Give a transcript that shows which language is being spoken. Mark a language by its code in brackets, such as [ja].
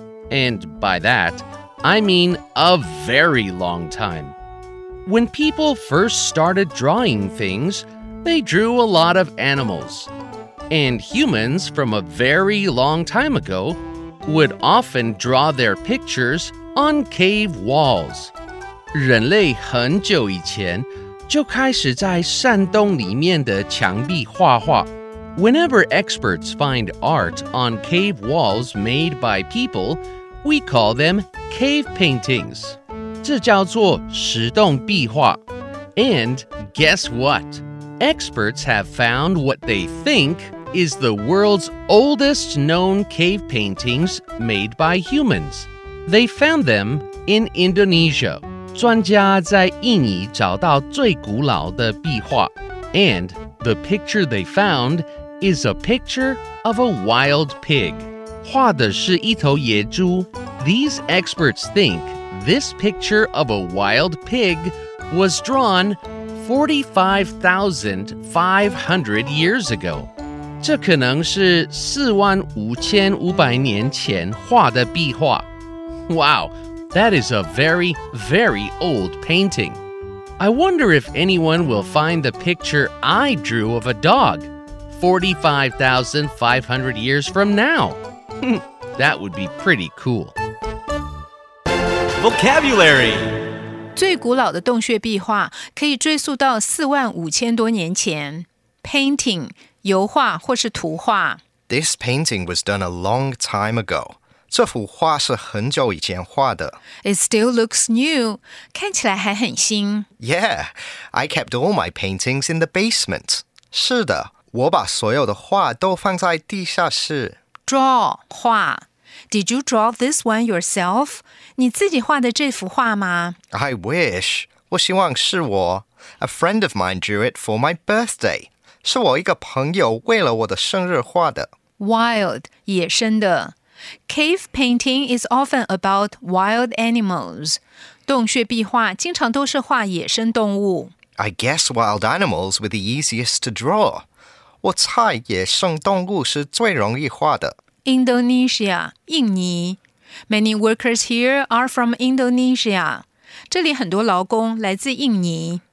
[en] And by that, I mean a very long time. When people first started drawing things, they drew a lot of animals. And humans from a very long time ago would often draw their pictures on cave walls. [zh] 人类很久以前就开始在山洞里面的墙壁画画。 [en] Whenever experts find art on cave walls made by people, we call them cave paintings. [zh] 这叫做石洞壁画。 [en] And guess what? Experts have found what they think is the world's oldest known cave paintings made by humans. They found them in Indonesia. [zh] 专家在印尼找到最古老的壁画。 [en] And the picture they found is a picture of a wild pig. [zh] 画的是一头野猪。 [en] These experts think this picture of a wild pig was drawn 45,500 years ago. [zh] 这可能是四万五千五百年前画的壁画。 [en] Wow, that is a very, very old painting. I wonder if anyone will find the picture I drew of a dog. 45,500 years from now. That would be pretty cool. Vocabulary. [zh] 最古老的洞穴壁画可以追溯到四万五千多年前。 Painting, 油画或是图画。 [en] This painting was done a long time ago. [zh] 这幅画是很久以前画的。 [en] It still looks new. [zh] 看起来还很新。 [en] Yeah, I kept all my paintings in the basement. [zh] 是的。我把所有的画都放在地下室。 [en] Draw, 画。Did you draw this one yourself? [zh] 你自己画的这幅画吗？ [en] I wish. [zh] 我希望是我。 [en] A friend of mine drew it for my birthday. [zh] 是我一个朋友为了我的生日画的。 [en] Wild, 野生的。Cave painting is often about wild animals. [zh] 洞穴壁画经常都是画野生动物。 [en] I guess wild animals were the easiest to draw. [zh] 我猜野生动物是最容易画的。 [en] Indonesia, 印尼。Many workers here are from Indonesia. [zh] 这里很多劳工来自印尼。